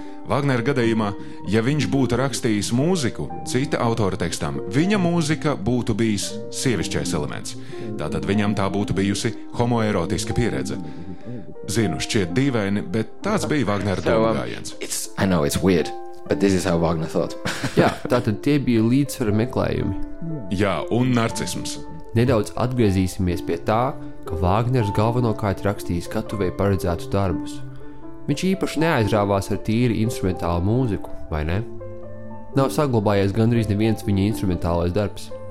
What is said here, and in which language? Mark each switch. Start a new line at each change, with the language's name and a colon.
Latvian: Vāgnera gadījumā, ja viņš būtu rakstījis mūziku cita autora tekstam, viņa mūzika būtu bijis sievišķais elements. Tātad viņam tā būtu bijusi homoerotiska pieredze. Zinu, šķiet dīvaini, bet tāds bija Vāgnera domgājiens.
English: I know it's weird, but this is how Wagner thought.
Latvian: Jā, tātad tie bija līdzsvara meklējumi. Jā, un narcisms. Nedaudz atgriezīsimies pie tā, ka Vāgners galvenokārt rakstīja skatuvei paredzētu darbus. Viņš īpaši neaizrāvās ar tīri instrumentālu mūziku, vai ne? Nav saglabājies gandrīz neviens viņa instrumentālais darbs.